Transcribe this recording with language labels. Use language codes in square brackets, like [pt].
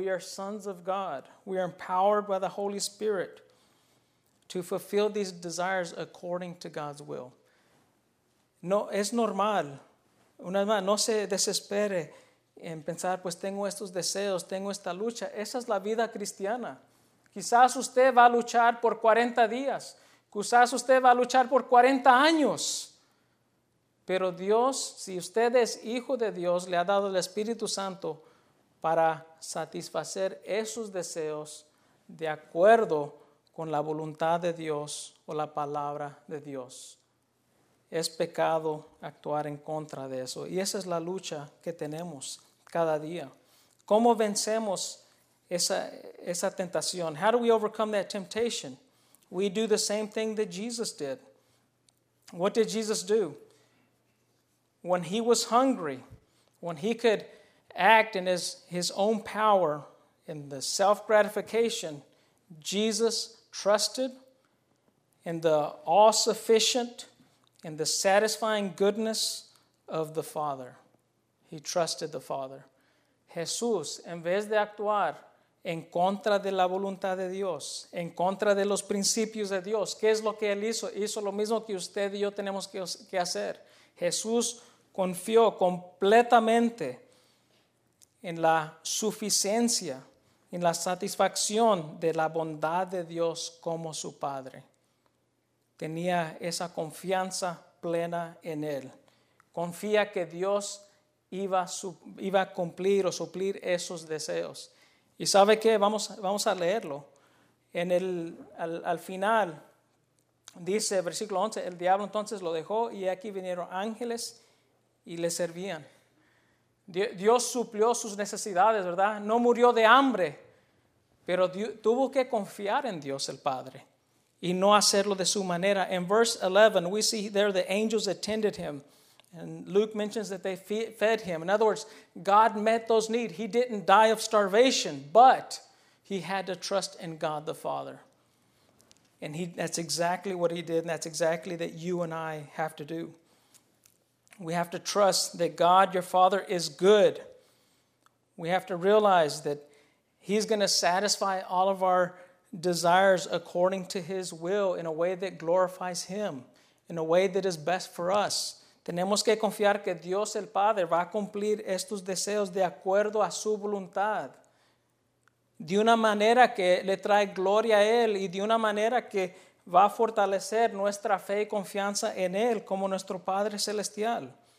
[en] We are sons of God. We are empowered by the Holy Spirit to fulfill these desires according to God's will. [es] No, es normal. Una vez más, no se desespere en pensar, pues tengo estos deseos, tengo esta lucha. Esa es la vida cristiana. Quizás usted va a luchar por 40 días. Quizás usted va a luchar por 40 años. Pero Dios, si usted es hijo de Dios, le ha dado el Espíritu Santo para satisfacer esos deseos de acuerdo con la voluntad de Dios o la palabra de Dios. Es pecado actuar en contra de eso. Y esa es la lucha que tenemos cada día. ¿Cómo vencemos esa tentación? [en] How do we overcome that temptation? We do the same thing that Jesus did. What did Jesus do? When he was hungry, when he could act in his own power, in the self-gratification, Jesus trusted in the all-sufficient and the satisfying goodness of the Father. He trusted the Father. [es] Jesús, en vez de actuar en contra de la voluntad de Dios, en contra de los principios de Dios, ¿qué es lo que él hizo? Hizo lo mismo que usted y yo tenemos que hacer. Jesús confió completamente en la suficiencia, en la satisfacción de la bondad de Dios como su Padre. Tenía esa confianza plena en él. Confía que Dios iba a cumplir o suplir esos deseos. ¿Y sabe qué? Vamos a leerlo. Al final, dice versículo 11, el diablo entonces lo dejó y aquí vinieron ángeles y le servían. Dios suplió sus necesidades, ¿verdad? No murió de hambre, pero tuvo que confiar en Dios el Padre y no hacerlo de su manera. [en] En verse 11, we see there the angels attended him. And Luke mentions that they fed him. In other words, God met those needs. He didn't die of starvation, but he had to trust in God the Father. And that's exactly what he did, and that's exactly that you and I have to do. We have to trust that God, your Father, is good. We have to realize that he's going to satisfy all of our desires according to his will in a way that glorifies him, in a way that is best for us. [es] Tenemos que confiar que Dios el Padre va a cumplir estos deseos de acuerdo a su voluntad. De una manera que le trae gloria a Él y de una manera que va a fortalecer nuestra fe y confianza en Él como nuestro Padre Celestial.